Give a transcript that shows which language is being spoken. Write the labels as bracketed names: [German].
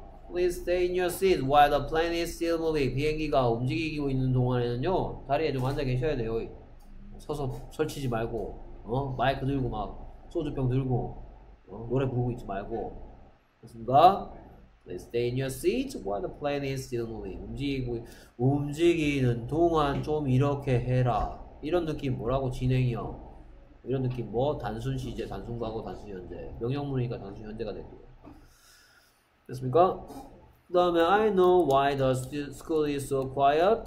[English] Please stay in your seat while the plane is still moving. [Korean] 비행기가 움직이고 있는 동안에는요, 자리에 좀 앉아 계셔야 돼요. 서서 설치지 말고, 마이크 들고 막, 소주병 들고, 노래 부르고 있지 말고. 됐습니까? [English] Please stay in your seat while the plane is still moving. [Korean] 움직이는 동안 좀 이렇게 해라. 이런 느낌 뭐라고 진행형? 이런 느낌 뭐? 단순 시제, 단순 과거, 단순 현재. 명령문이니까 단순 현재가 됐고요. 됐습니까? 다음에 [English] I know why the school is so quiet.